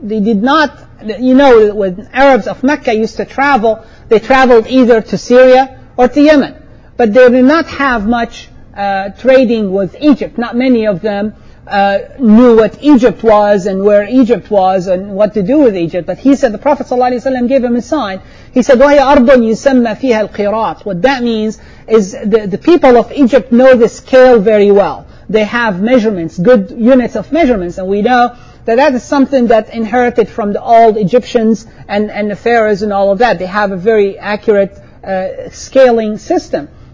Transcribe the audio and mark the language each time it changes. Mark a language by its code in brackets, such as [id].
[en] They did not, you know, when Arabs of Mecca used to travel, they traveled either to Syria or to Yemen. But they did not have much trading with Egypt. Not many of them knew what Egypt was and where Egypt was and what to do with Egypt. But he said, the Prophet ﷺ gave him a sign. He said, [ar] وَهِيَ أَرْضٌ يُسَمَّى فِيهَا الْقِرَاطِ. [en] What that means is the people of Egypt know the scale very well. They have measurements, good units of measurements. And we know that that is something that inherited from the old Egyptians and the pharaohs and all of that. They have a very accurate scaling system.